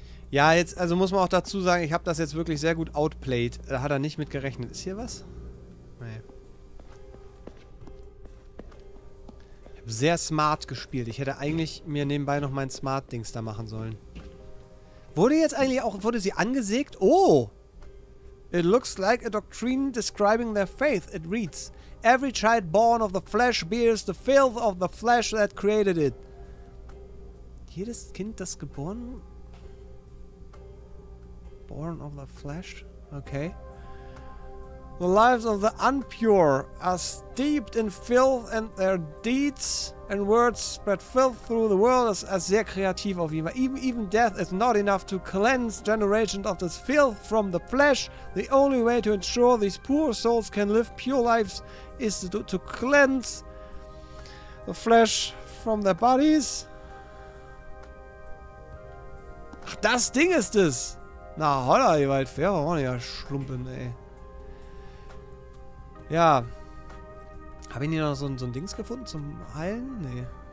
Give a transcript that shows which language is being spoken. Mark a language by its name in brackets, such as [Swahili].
[German] Ja, jetzt, also muss man auch dazu sagen, ich habe das jetzt wirklich sehr gut outplayed. Da hat er nicht mit gerechnet. Ist hier was? Nee. Ich habe sehr smart gespielt. Ich hätte eigentlich mir nebenbei noch mein Smart-Dings da machen sollen. Wurde jetzt eigentlich auch, wurde sie angesägt? Oh! [English] It looks like a doctrine describing their faith. It reads, every child born of the flesh bears the filth of the flesh that created it. [German] Jedes Kind, das geboren... [English] Born of the flesh? Okay. The lives of the unpure are steeped in filth and their deeds and words spread filth through the world. [German] Das ist sehr kreativ auf jeden Fall. [English] Even death is not enough to cleanse generations of this filth from the flesh. The only way to ensure these poor souls can live pure lives is to cleanse the flesh from their bodies. [German] Ach, das Ding ist es! Na, holla, ihr wollt fair, oh, ja, Schlumpen, ey. Ja. Hab ich hier noch so ein Dings gefunden zum Heilen? Nee.